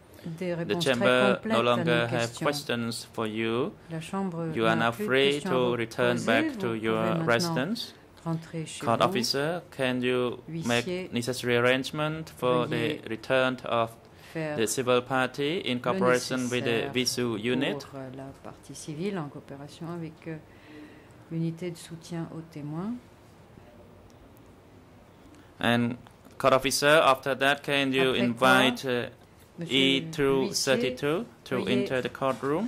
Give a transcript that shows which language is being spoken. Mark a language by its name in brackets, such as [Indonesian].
[English] The chamber no longer has questions for you. You are now free to return back to your residence. Court officer, can you make necessary arrangement for the return of the civil party in cooperation with the VISU unit? [French] La partie civile en coopération avec l'unité de soutien aux témoins. [English] And court officer, after that, can you invite E-32 to enter the courtroom?